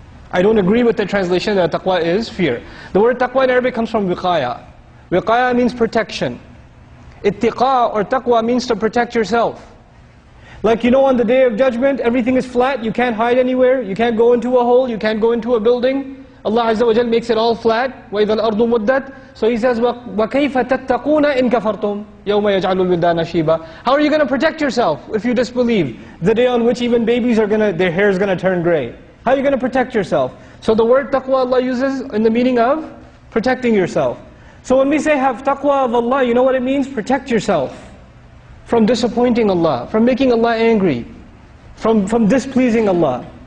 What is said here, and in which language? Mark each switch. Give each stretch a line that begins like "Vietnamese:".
English: I don't agree with the translation that taqwa is fear. The word taqwa in Arabic comes from wiqaya. Wiqaya means protection. Ittiqa or taqwa means to protect yourself. Like, you know, on the day of judgment, everything is flat, you can't hide anywhere, you can't go into a hole, you can't go into a building. Allah Azza wa Jal makes it all flat.
Arabic: وَإِذَا الْأَرْضُ مُدَّتْ.
English: So He says,
Arabic: وَكَيْفَ تَتَّقُونَ إِن كَفَرْتُمْ يَوْمَ يَجْعَلُ الْوِلْدَانَ شِيبًا.
English: How are you going to protect yourself if you disbelieve? The day on which even babies are going to, their hair is going to turn gray. How are you going to protect yourself? So the word taqwa Allah uses in the meaning of protecting yourself. So when we say have taqwa of Allah, you know what it means? Protect yourself from disappointing Allah, from making Allah angry, from displeasing Allah.